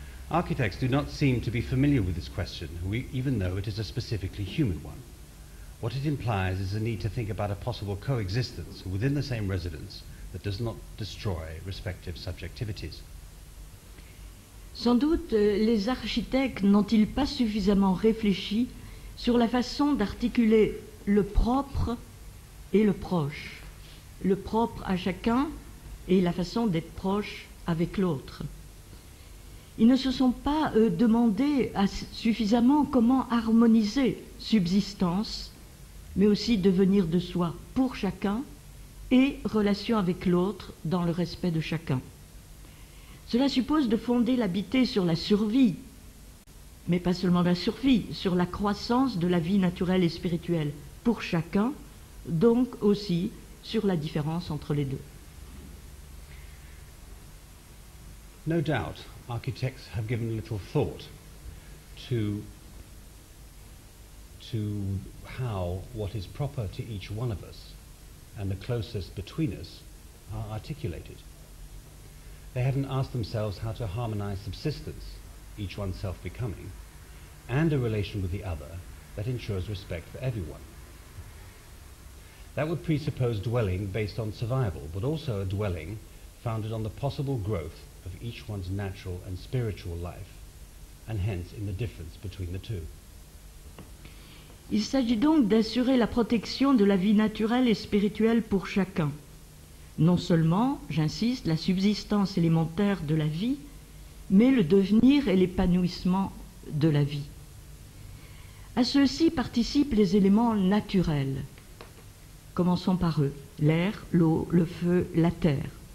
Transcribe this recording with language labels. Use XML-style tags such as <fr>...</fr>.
<en>Architects do not seem to be familiar with this question, even though it is a specifically human one. What it implies is a need to think about a possible coexistence within the same residence that does not destroy respective subjectivities.</en> <fr>Sans doute, les architectes n'ont-ils pas suffisamment réfléchi sur la façon d'articuler le propre et le proche, le propre à chacun et la façon d'être proche avec l'autre. Ils ne se sont pas demandé suffisamment comment harmoniser subsistance, mais aussi devenir de soi pour chacun et relation avec l'autre dans le respect de chacun. Cela suppose de fonder l'habité sur la survie, mais pas seulement la survie, sur la croissance de la vie naturelle et spirituelle pour chacun, donc aussi sur la différence entre les deux.</fr> <en>No doubt. Architects have given little thought to how what is proper to each one of us and the closest between us are articulated. They haven't asked themselves how to harmonize subsistence, each one self-becoming, and a relation with the other that ensures respect for everyone. That would presuppose dwelling based on survival, but also a dwelling founded on the possible growth of each one's natural and spiritual life, and hence in the difference between the two.</en> <fr>Il s'agit donc d'assurer la protection de la vie naturelle et spirituelle pour chacun. Non seulement, j'insiste, la subsistance élémentaire de la vie, mais le devenir et l'épanouissement de la vie. À ceux-ci participent les éléments naturels. Commençons par eux, l'air, l'eau, le feu, la terre.</fr>